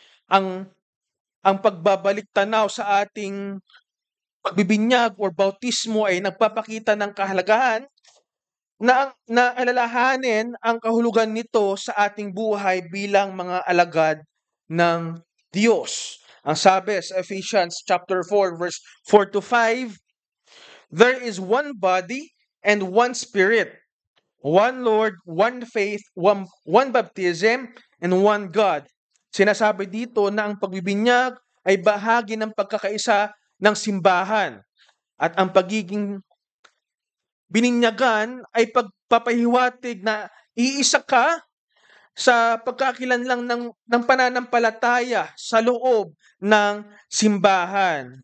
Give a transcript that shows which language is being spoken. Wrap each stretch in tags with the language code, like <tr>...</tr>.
<tl>Ang pagbabalik-tanaw sa ating pagbibinyag or bautismo ay nagpapakita ng kahalagahan na alalahanin ang kahulugan nito sa ating buhay bilang mga alagad ng Diyos. Ang sabi sa</tl> <en>Ephesians chapter 4 verse 4 to 5, there is one body and one spirit, one Lord, one faith, one baptism, and one God.</en> <tl>Sinasabi dito na ang pagbibinyag ay bahagi ng pagkakaisa ng simbahan at ang pagiging bininyagan ay pagpapahiwatig na iisa ka sa pagkakilanlang ng pananampalataya sa loob ng simbahan.</tl>